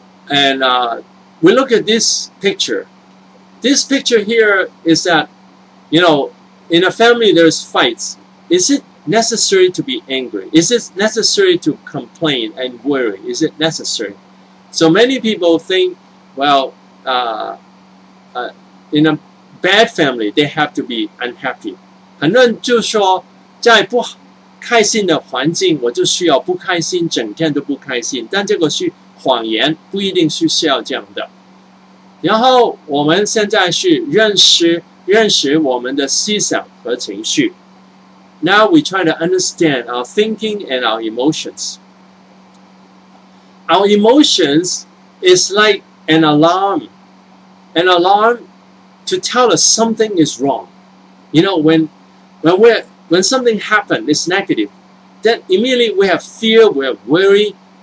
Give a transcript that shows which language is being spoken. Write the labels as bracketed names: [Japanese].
[English] And we look at this picture. This picture here is that, you know, in a family there's fights. Is it necessary to be angry? Is it necessary to complain and worry? Is it necessary? So many people think, well, in a bad family, they have to be unhappy. [Chinese] 很多人就说, 在不开心的环境,我就需要不开心, 整天都不开心, 但这个是谎言, 不一定是需要这样的。然后我们现在是认识我们的思想和情绪。 [English] Now we try to understand our thinking and our emotions. Our emotions is like an alarm. An alarm to tell us something is wrong. You know, when something happens, it's negative, then immediately we have fear, we have worry.